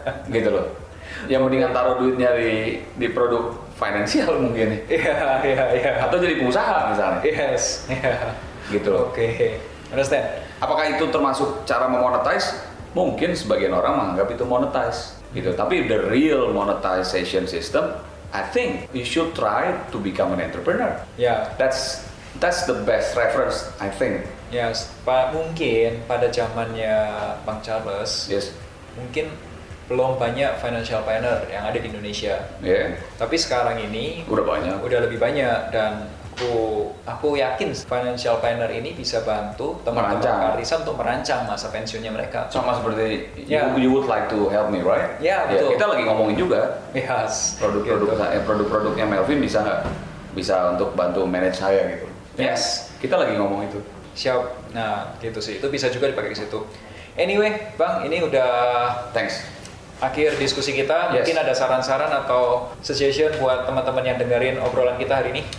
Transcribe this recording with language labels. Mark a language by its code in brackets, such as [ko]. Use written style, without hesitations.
[id] Gitu loh. Ya mendingan taruh duitnya di produk finansial mungkin. Iya. Atau jadi pengusaha misalnya. [en] Yes. [id] Gitu loh. [en] Oke. Understand? [id] Apakah itu termasuk cara memonetize? Mungkin sebagian orang menganggap itu monetize. Gitu. Tapi [en] the real monetization system, I think you should try to become an entrepreneur. Yeah. That's the best reference, I think. Yes. [id] Mungkin pada zamannya Bang Charles, [en] yes, [id] mungkin belum banyak financial planner yang ada di Indonesia. [en] Yeah. [id] Tapi sekarang ini udah banyak. Udah lebih banyak dan aku yakin financial planner ini bisa bantu teman-teman artisan untuk merancang masa pensiunnya mereka. Sama seperti [en] you would like to help me, right? [id] Ya, yeah, betul. Kita lagi ngomongin juga. [en] Yes. [id] Produk-produknya Melvin bisa untuk bantu manage saya gitu. [en] Yes, [id] kita lagi ngomong itu. Siap. Nah, gitu sih. Itu bisa juga dipakai ke situ. [en] Anyway, [id] Bang, ini udah [en] thanks. [id] Akhir diskusi kita, mungkin ada saran-saran atau suggestion buat teman-teman yang dengerin obrolan kita hari ini?